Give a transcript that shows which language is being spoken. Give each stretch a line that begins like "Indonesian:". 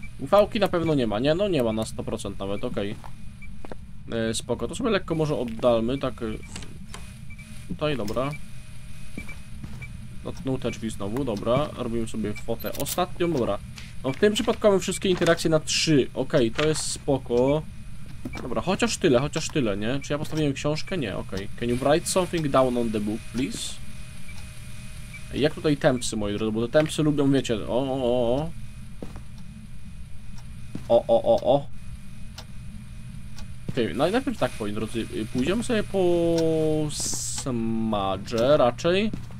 Polish: UV-ki na pewno nie ma, nie? No nie ma na 100% nawet, okej. Spoko, to sobie lekko może oddalmy, tak... Tutaj, dobra. Dotknął te drzwi znowu, dobra. Robimy sobie fotę ostatnią, dobra. No w tym przypadku mamy wszystkie interakcje na 3. Okej, to jest spoko. Dobra, chociaż tyle, nie? Czy ja postawiłem książkę? Nie, okej.
English: Can you write something down on the book, please?
Polish: Jak tutaj tempsy, moi drodzy, bo te tempsy lubią, wiecie, Okej, no i najpierw tak, moi drodzy, pójdziemy sobie po smadże raczej.